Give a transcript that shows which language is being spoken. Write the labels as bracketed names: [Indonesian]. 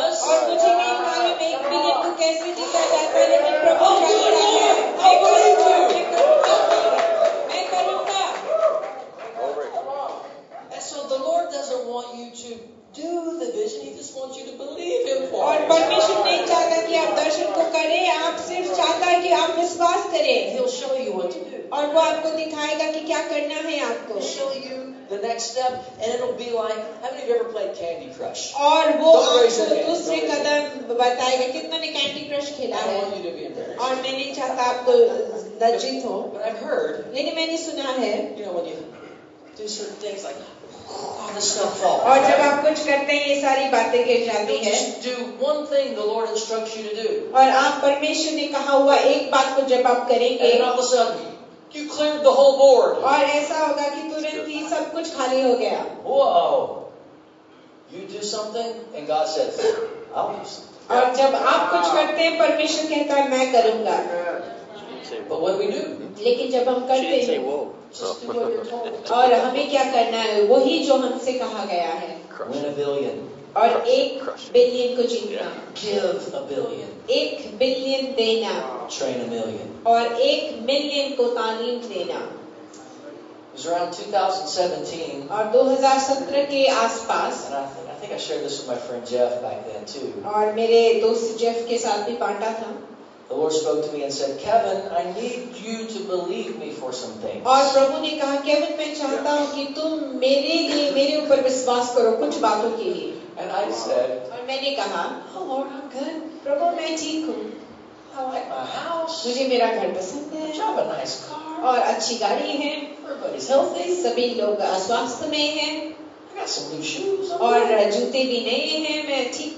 [Hindi] और मुझे नहीं मालूम एक मिलियन को कैसे जीता जाता है लेकिन प्रभु जानता है मैं करूंगा [English] So the Lord doesn't want you to do the vision he just wants you to believe him for [Hindi] और परमेश्वर नहीं चाहता कि आप दर्शन को करें आप सिर्फ चाहता है कि आप विश्वास करें [English] he'll show you what to do [Hindi] और वो आपको दिखाएगा कि क्या करना है आपको [English] show you The next step, and it'll be like, how many of you ever played Candy Crush? [Hindi] और वो आपको दूसरे कदम बताएगा कितनों ने Candy Crush खेला है? और मैंने चाहता आपको लज्जित हो. [English] But I've heard. [Hindi] लेकिन मैंने सुना है. [English] You know when you do certain things like. All the stuff falls. [Hindi] और जब आप कुछ करते हैं ये सारी बातें गिर जाती हैं। [English] Just do one thing the Lord instructs you to do. [Hindi] और आप परमेश्वर ने कहा हुआ एक बात को जब आप करेंगे। [English] And all of a sudden, You cleared the whole board. [Hindi] और ऐसा होगा कि तुरंत ही सब कुछ खाली हो गया. Whoa! [English] You do something and God says, I'll do something. [Hindi] और जब आप कुछ करते हैं परमेश्वर कहता है मैं करूंगा. [English] But what do we do? [Hindi] लेकिन जब हम करते हैं. और हमें क्या करना है वही जो हमसे कहा गया है. [English] Win a billion. [Hindi] और एक बिलियन को जीतना. [English] Give a billion. [Hindi] एक बिलियन देना. [English] Train a million. [Hindi] और एक मिलियन को तालीम देना. [English] It was around 2017. [Hindi] और 2017 के आसपास. [English] And I think I shared this with my friend Jeff back then too. [Hindi] और मेरे दोस्त जेफ के साथ भी पांटा था. [English] The Lord spoke to me and said, Kevin, I need you to believe me for some things. [Hindi] और प्रभु ने कहा, केविन, मैं चाहता हूँ कि तुम मेरे लिए मेरे ऊपर विश्वास करो कुछ बातों के लिए. [English] And I said. [Hindi] और मैंने कहा, [English] Oh Lord, I'm good. [Hindi] प्रभु, मैं ठीक हूँ. [English] I like my house. [Hindi] मुझे मेरा घर पसंद है. [English] Drive a nice car. [Hindi] और अच्छी गाड़ी है, सभी लोग स्वास्थ्य में हैं, और जूते भी नए हैं, मैं ठीक